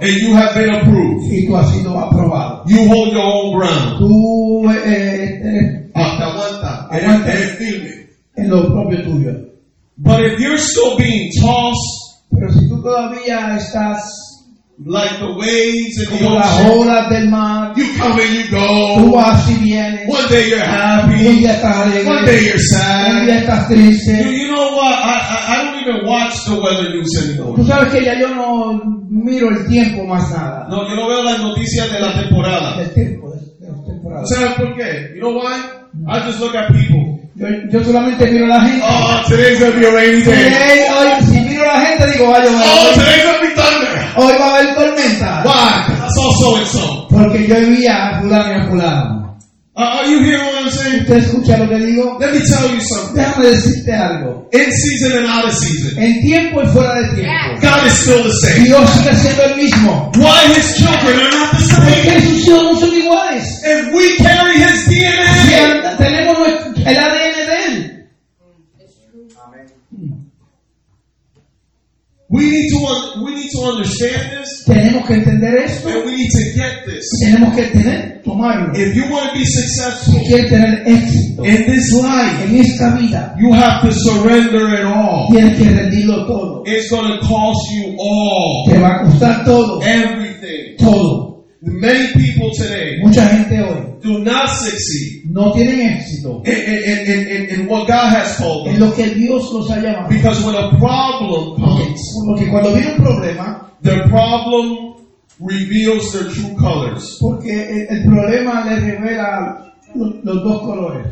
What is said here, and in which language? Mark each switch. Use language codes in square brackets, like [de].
[en] and you have been approved. [es] Y tú has sido aprobado. [en] You hold your own ground. [es] Tú, aguanta. Eres firme. lo propio tuyo. [en] But if you're still being tossed, [es] pero si tú todavía estás [en] like the waves in the [es] ocean, las olas del mar, [en] you come and you go, [es] tú vas y vienes, [en] one day you're happy, [es] un día estás alegre, [en] one day you're sad, [es] un día estás triste. [en] You know what? I don't even watch the weather news anymore. [es] Tú sabes que ya yo no miro el tiempo más nada. No, yo no veo las noticias de la temporada. El tiempo, de la temporada. ¿Sabes por qué? [en] You know why? I just look at people. [es] Yo solamente miro a la gente. [en] Oh, today's gonna be a rainy day. [es] Hey, hoy, si miro a la gente, digo, vaya, [en] oh, today's gonna be thunder. [es] Hoy va a haber tormenta. [en] Why? That's all so and so. [es] Porque yo vivía a fulano y a fulano. [en] Are you hearing what I'm saying? [es] ¿Usted escucha lo que digo? [en] Let me tell you something. [es] Déjame decirte algo. [en] In season and out of season. [es] En tiempo y fuera de tiempo. [en] God is still the same. [es] Dios sigue siendo el mismo. [en] Why his children are not the same? [es] Porque sus hijos no son iguales. [en] If we carry his DNA. [es] Si tenemos el ADN de él. [en] We need to understand this. [es] Tenemos que entender esto. [en] And we need to get this. [es] Tenemos que tener, tomarlo. [en] If you want to be successful, [es] si quieres tener éxito, [en] in this life, [es] en esta vida, [en] you have to surrender it all. [es] Tienes que rendirlo todo. [en] It's going to cost you all. [es] Te va a costar todo. [en] Everything. [es] Todo. [en] Many people today, [es] mucha gente hoy, [en] do not succeed. [es] No tienen éxito. [en] In what God has called them. [es] En lo que Dios los ha llamado. [en] Because when a problem comes, [es] porque cuando viene un problema, [en] the problem reveals their true colors. [es] Porque el problema les revela los dos colores.